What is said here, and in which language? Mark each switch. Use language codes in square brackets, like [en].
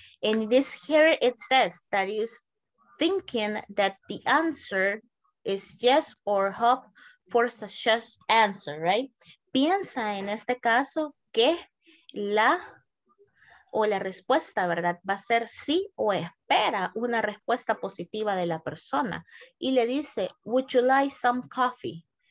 [en] And this here it says that is thinking that the answer is yes or hope. For such answer, right? [es] Piensa en este caso que la respuesta, ¿verdad? Va a ser sí o espera una respuesta positiva de la persona. Y le dice, [en] would you like some coffee?